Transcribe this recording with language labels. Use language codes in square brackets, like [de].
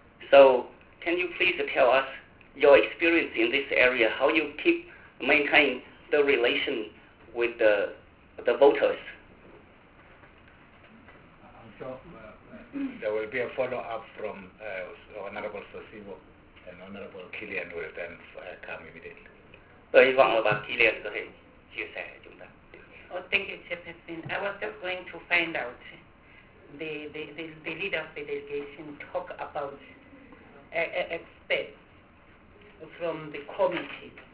[en] So can you please tell us your experience in this area, how you keep maintain the relation with the voters? I'm sure there will be a follow-up from Honorable Sosimo and Honorable Killian will then come immediately. [vi] Tôi hy vọng là bà Killian có thể chia sẻ với chúng ta. [en] Oh, thank you, Chairperson. I was just going to find out the leader of the delegation talk about experts from the committee.